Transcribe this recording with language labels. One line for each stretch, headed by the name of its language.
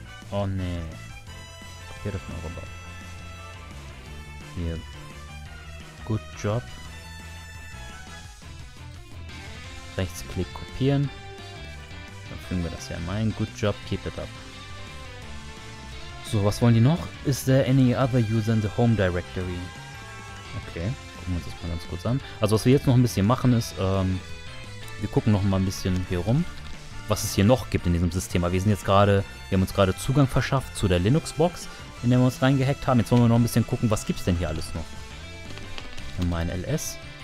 German: Oh ne. Kopier das mal rüber. Hier.
English: Good job.
German: Rechtsklick kopieren. Dann fügen wir das ja ein.
English: Good job, keep it up.
German: So, was wollen die noch?
English: Is there any other user in the home directory?
German: Okay, gucken wir uns das mal ganz kurz an. Also was wir jetzt noch ein bisschen machen ist, wir gucken noch mal ein bisschen hier rum, was es hier noch gibt in diesem System. Aber wir sind jetzt gerade, wir haben uns gerade Zugang verschafft zu der Linux-Box, in der wir uns reingehackt haben. Jetzt wollen wir noch ein bisschen gucken, was gibt es denn hier alles noch? Nehmen wir mal ein ls.